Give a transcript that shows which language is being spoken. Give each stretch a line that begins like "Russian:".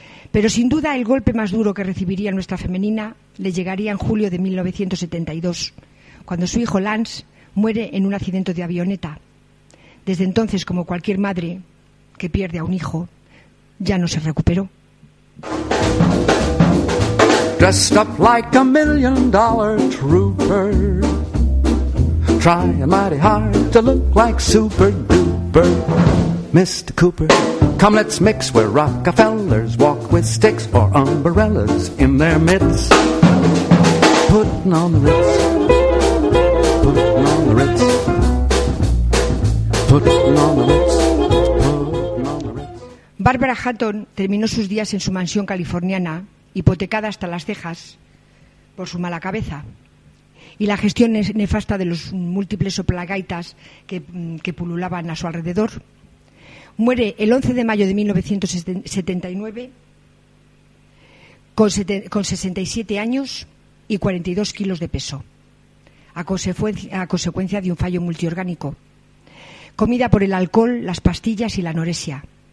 Spanish: Pero sin duda el golpe más duro que recibiría nuestra femenina le llegaría en julio de 1972, cuando su hijo Lance muere en un accidente de avioneta. Desde entonces, como cualquier madre que pierde a un hijo, ya no se recuperó.
English: Dressed up like a $1,000,000 trooper, trying mighty hard to look like Super Duper. Mr. Cooper, come let's mix where Rockefellers walk with sticks or umbrellas in their mitts. Putting on the Ritz, putting on the Ritz, putting on the Ritz, putting on the Ritz.
Spanish: Barbara Hatton terminó sus días en su mansión californiana, hipotecada hasta las cejas por su mala cabeza y la gestión nefasta de los múltiples soplagaitas que pululaban a su alrededor. Muere el 11 de mayo de 1979 con 67 años y 42 kilos de peso, a consecuencia de un fallo multiorgánico, comida por el alcohol, las pastillas y la anorexia.